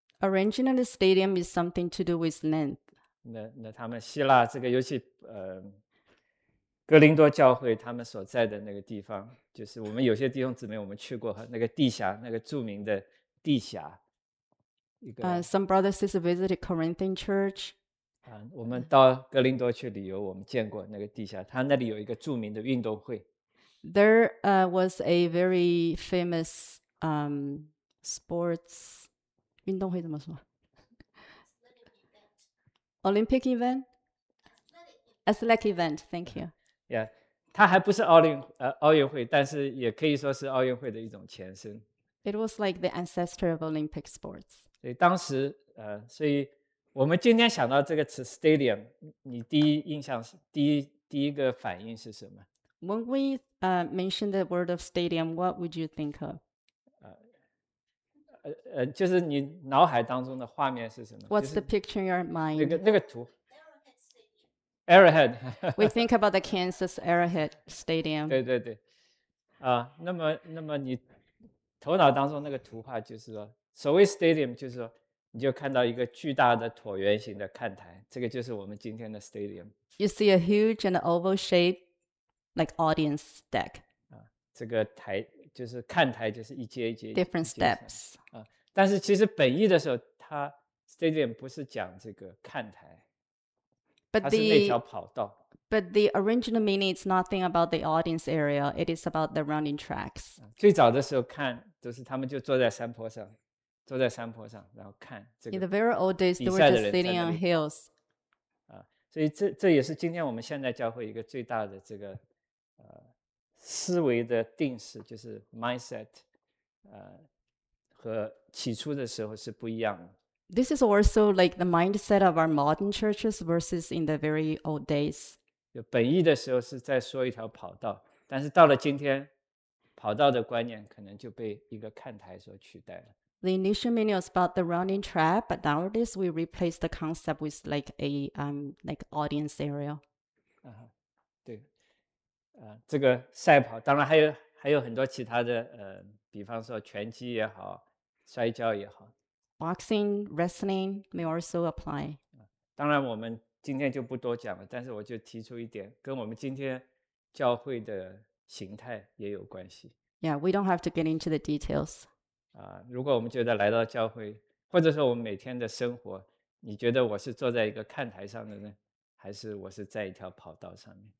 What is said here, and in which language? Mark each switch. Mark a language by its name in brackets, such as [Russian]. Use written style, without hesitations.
[English] Originally, stadium is something to do with length. [Chinese] 那他们希腊这个，尤其哥林多教会他们所在的那个地方，就是我们有些弟兄姊妹我们去过那个地峡，那个著名的地峡。 [English] Some brothers just visited Corinthian church. [Chinese] 我们到哥林多去旅游，我们见过那个地峡，他那里有一个著名的运动会。 [English] There was a very famous sports [Chinese] 运动会怎么说？ [English] Olympic event? Athletic event, thank you. Yeah, [Chinese] 它还不是奥运会，但是也可以说是奥运会的一种前身。 [English] It was like the ancestor of Olympic sports. [Chinese] 所以当时，所以我们今天想到这个词 stadium， 你第一印象是第一个反应是什么 [English] ？When we mention the word of stadium, what would you think of？ [Chinese] 就是你脑海当中的画面是什么 [English] ？What's the picture in your mind？ [Chinese] 那个图。Arrowhead. [English] We think about the Kansas Arrowhead Stadium. [Chinese] 对对对，啊，那么你头脑当中那个图画就是说，所谓 stadium 就是说，你就看到一个巨大的椭圆形的看台，这个就是我们今天的 stadium. [English] You see a huge and oval shape, like audience deck. 啊， [Chinese] 这个台就是看台，就是一阶一阶。 [English] Different steps. 啊， [Chinese] 但是其实本意的时候，它 stadium 不是讲这个看台。 [English] But the original meaning is nothing about the audience area. It is about the running tracks. [Chinese] 最早的时候看，就是他们就坐在山坡上，然后看这个。 [English] In the very old days, they were just sitting on hills. [Chinese] 所以这也是今天我们现在教会一个最大的这个思维的定式，就是 mindset， 和起初的时候是不一样的。 [English] This is also like the mindset of our modern churches versus in the very old days. [Chinese] 本意的时候是在说一条跑道，但是到了今天，跑道的观念可能就被一个看台所取代了。 [English] The initial meaning was about the running track, but nowadays we replace the concept with like a like audience area. [Chinese] 对，这个赛跑，当然还有很多其他的，比方说拳击也好，摔跤也好。 [English] Boxing, wrestling may also apply. [Chinese] 当然我们今天就不多讲了，但是我就提出一点，跟我们今天教会的形态也有关系。 [English] Yeah, we don't have to get into the details. [Chinese] 如果我们觉得来到教会，或者说我们每天的生活，你觉得我是坐在一个看台上的呢，还是我是在一条跑道上面？